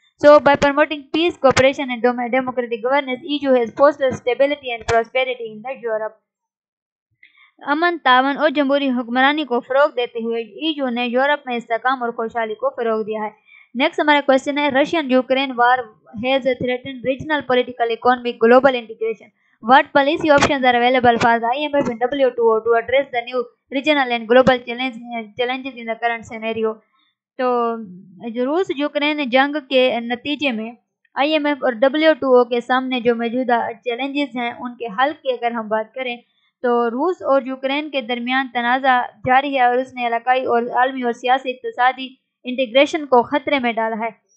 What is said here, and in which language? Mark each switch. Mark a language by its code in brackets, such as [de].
[en] So by promoting peace, cooperation and democratic governance, EU has fostered stability and prosperity in the Europe. [ur] امن تعاون اور جمہوری حکمرانی کو فروغ دیتے ہوئے EU نے یورپ میں استحکام اور خوشحالی کو فروغ دیا ہے. [en] Next [ur] ہمارا [en] question ہے, Russian Ukraine war has threatened regional political economy global integration. What policy options are available for the IMF and WTO to address the new regional and global challenges in the current scenario? [ur] تو روس Ukraine جنگ کے نتیجے میں IMF اور WTO کے سامنے جو موجودہ چیلنجز ہیں ان کے حل کی اگر ہم بات کریں تو روس اور یوکرین کے درمیان تنازع جاری ہے اور اس نے علاقائی اور عالمی اور سیاسی اقتصادی انٹیگریشن کو خطرے میں ڈالا ہے.